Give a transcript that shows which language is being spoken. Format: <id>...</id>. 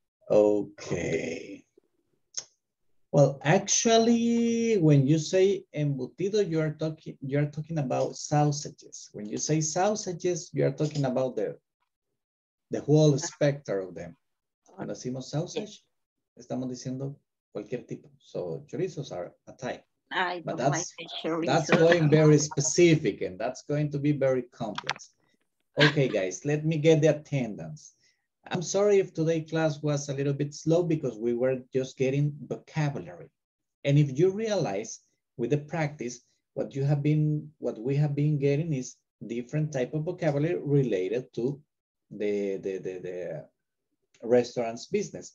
<en>Okay. Well, actually, when you say embutido, you are talking about sausages. When you say sausages, you are talking about the whole spectrum of them.</en> <es>Cuando decimos sausage, estamos diciendo cualquier tipo.</es> <en>So chorizos are a type. Okay. That's going very specific, and that's going to be very complex. Okay, guys, let me get the attendance. I'm sorry if today's class was a little bit slow because we were just getting vocabulary. And if you realize with the practice, what we have been getting is different type of vocabulary related to the restaurant's business.</en>